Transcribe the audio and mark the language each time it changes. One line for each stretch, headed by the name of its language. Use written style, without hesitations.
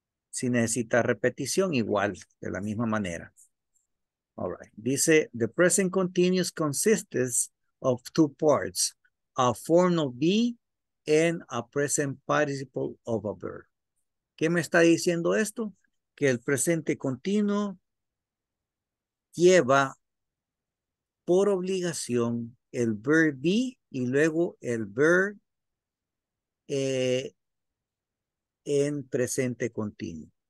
Spanish: Si necesita repetición, igual, de la misma manera.
English: All right. Dice, the present continuous consists of two parts, a form of be and a present participle of a verb.
Spanish: ¿Qué me está diciendo esto? Que el presente continuo lleva por obligación el verb be y luego el verb en presente continuo.